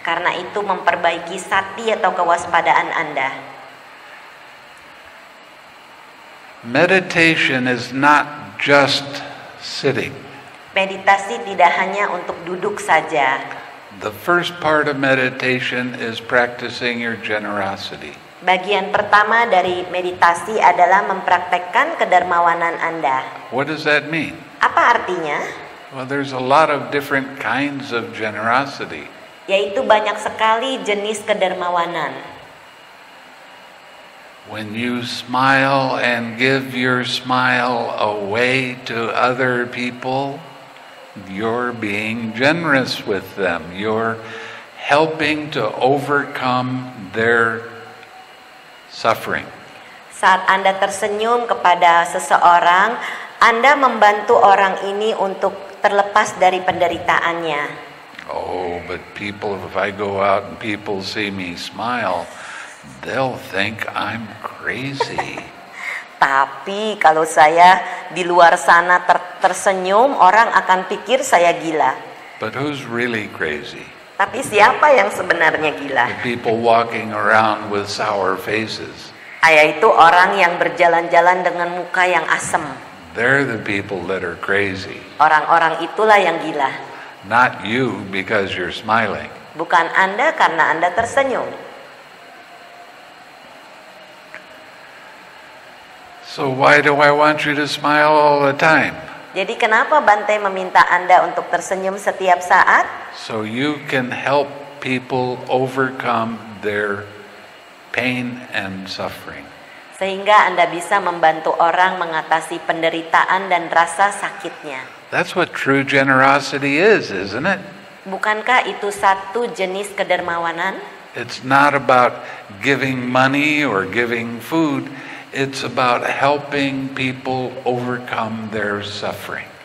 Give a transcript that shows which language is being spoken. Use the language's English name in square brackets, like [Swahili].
[Indonesian] Karena itu memperbaiki sati atau kewaspadaan Anda. [English] Meditation is not just sitting. [Indonesian] Meditasi tidak hanya untuk duduk saja. [English] The first part of meditation is practicing your generosity. [Indonesian] Bagian pertama dari meditasi adalah mempraktekkan kedermawanan Anda. [English] What does that mean? [Indonesian] Apa artinya? [English] Well, there's a lot of different kinds of generosity. [Indonesian] Yaitu banyak sekali jenis kedermawanan. [English] When you smile and give your smile away to other people, you're being generous with them. You're helping to overcome their suffering. [Indonesian] Saat Anda tersenyum kepada seseorang, Anda membantu orang ini untuk terlepas dari penderitaannya. [English] Oh, but people, if I go out and people see me smile, they'll think I'm crazy. [Indonesian] Tapi kalau saya di luar sana tersenyum, orang akan pikir saya gila. [English] But who's really crazy? [Indonesian] Tapi siapa yang sebenarnya gila? [English] The people walking around with sour faces. [Indonesian] Yaitu orang yang berjalan-jalan dengan muka yang asem. [English] They're the people that are crazy. [Indonesian] Orang-orang itulah yang gila. [English] Not you because you're smiling. [Indonesian] Bukan Anda karena Anda tersenyum. [English] So why do I want you to smile all the time? [Indonesian] Jadi kenapa Bante meminta Anda untuk tersenyum setiap saat? [English] So you can help people overcome their pain and suffering. [Indonesian] Sehingga Anda bisa membantu orang mengatasi penderitaan dan rasa sakitnya. [English] That's what true generosity is, isn't it? [Indonesian] Bukankah itu satu jenis kedermawanan? [English] It's not about giving money or giving food. It's about helping people overcome their suffering.